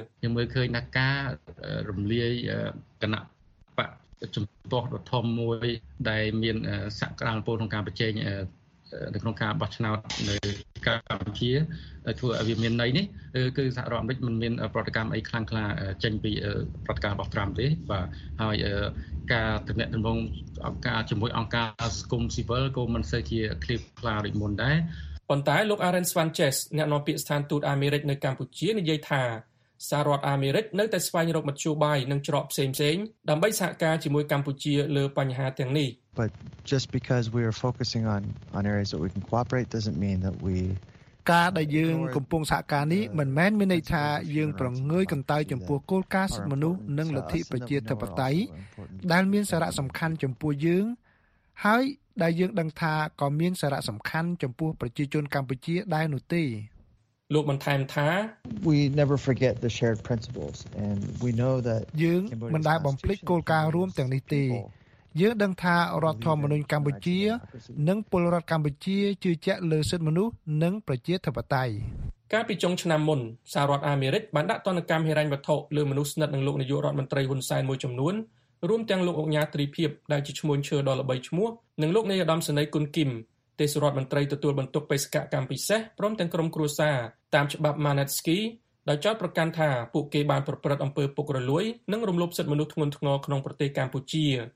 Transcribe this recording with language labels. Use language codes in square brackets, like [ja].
[km] ខ្ញុំមើលឃើញថាការរំលាយគណៈបកជំទាស់ដ៏ធំមួយដែលមានសក្តានុពលក្នុងការប្រជែងនៅក្នុងការបោះឆ្នោតនៅកម្ពុជាដែលធ្វើឲ្យវាមានន័យនេះគឺសហរដ្ឋអាមេរិកមិនមានប្រតិកម្មអីខ្លាំងក្លាចេញពីប្រតិកម្មរបស់ត្រាំទេបាទហើយការទំនាក់ទំនងអង្គការជាមួយអង្គការសង្គមស៊ីវិលក៏មិនសូវជាឃ្លាតខ្លាដូចមុនដែរ ប៉ុន្តែលោក Aaron Swanches អ្នកនាំពាក្យស្ថានទូតអាមេរិកនៅកម្ពុជានិយាយថាសហរដ្ឋអាមេរិកនៅតែស្វែងរកមធ្យោបាយនិងច្រកផ្សេងៗដើម្បីសហការជាមួយកម្ពុជាលើបញ្ហាទាំងនេះ [en] But just because we are focusing on areas that we can cooperate doesn't mean that we [km] ការដែលយើងកំពុងសហការនេះមិនមែនមានន័យថាយើងប្រងើយកន្តើយចំពោះគោលការណ៍សិទ្ធិមនុស្សនិងលទ្ធិប្រជាធិបតេយ្យដែលមានសារៈសំខាន់ចំពោះយើងហើយដែលយើងដឹងថាក៏មានសារៈសំខាន់ចំពោះប្រជាជនកម្ពុជាដែរនោះទេ លោកបន្ថែមថា [en] We never forget the shared principles and we know that [km] យើងមិនដែលបំភ្លេចគោលការណ៍រួមទាំងនេះទេយើងដឹងថារដ្ឋធម្មនុញ្ញកម្ពុជានិងពលរដ្ឋកម្ពុជាជឿជាក់លើសិទ្ធិមនុស្សនិងប្រជាធិបតេយ្យ កាលពីចុងឆ្នាំមុនសហរដ្ឋអាមេរិកបានដាក់ទណ្ឌកម្មហិរញ្ញវត្ថុលើមនុស្សស្និទ្ធនឹងលោកនាយករដ្ឋមន្ត្រីហ៊ុនសែនមួយចំនួនរួមទាំងលោកអុកញ៉ាទ្រីភិបដែលជាឈ្មោះឈើដ៏ល្បីឈ្មោះនិងលោកនាយឧត្តមសេនីយ៍គុនគីមទេសរដ្ឋមន្ត្រីទទួលបន្ទុកបេសកកម្មពិសេសព្រមទាំងក្រុមគ្រួសារតាមច្បាប់ Manetsky ដោយចោទប្រកាន់ថាពួកគេបានប្រព្រឹត្តអំពើពុករលួយនិងរំលោភសិទ្ធិមនុស្សធ្ងន់ធ្ងរក្នុងប្រទេសកម្ពុជា